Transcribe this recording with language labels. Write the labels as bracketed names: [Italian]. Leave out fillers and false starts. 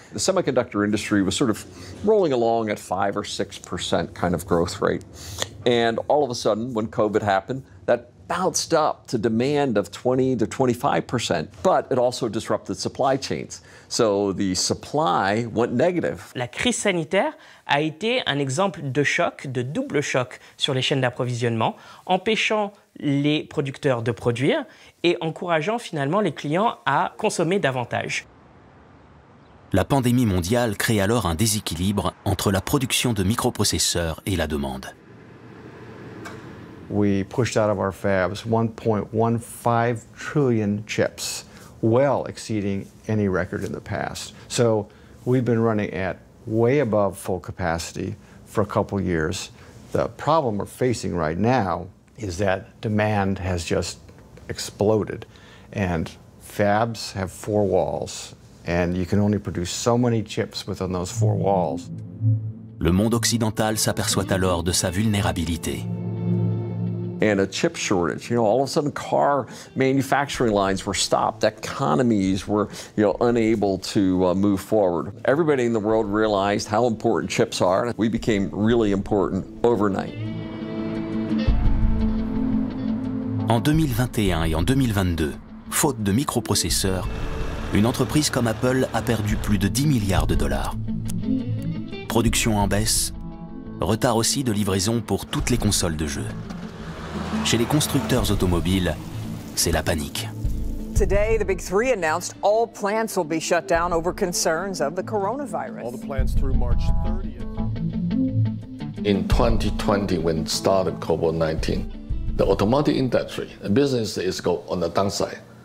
[English] The semiconductor industry was sort of rolling along at 5 or 6% kind of growth rate. And all of a sudden, when COVID happened, that bounced up to demand of 20 to 25%, but it also disrupted supply chains. So the supply went negative. [French] La crise sanitaire a été un exemple de choc, de double choc sur les chaînes d'approvisionnement, empêchant les producteurs de produire et encourageant finalement les clients à consommer davantage. La pandémie mondiale crée alors un déséquilibre entre la production de microprocesseurs et la demande. [English] we pushed out of our fabs 1.15 trillion chips, well exceeding any record in the past. So we've been running at way above full capacity for a couple years. The problem we're facing right now is that demand has just exploded, and fabs have four walls, and you can only produce so many chips within those four walls. [French] Le monde occidental s'aperçoit alors de sa vulnérabilité. [English] And a chip shortage, you know, all of a sudden car manufacturing lines were stopped, economies were, you know, unable to move forward. Everybody in the world realized how important chips are, and we became really important overnight. [French] En 2021 et en 2022, faute de microprocesseurs, une entreprise comme Apple a perdu plus de 10 milliards de dollars. Production en baisse, retard aussi de livraison pour toutes les consoles de jeux. Chez les constructeurs automobiles, c'est la panique. [English] Today, the Big Three announced all plants will be shut down over concerns of the coronavirus. All the plants through March 30th. In 2020, when it started COVID-19, the automotive industry, the business is go on the downside.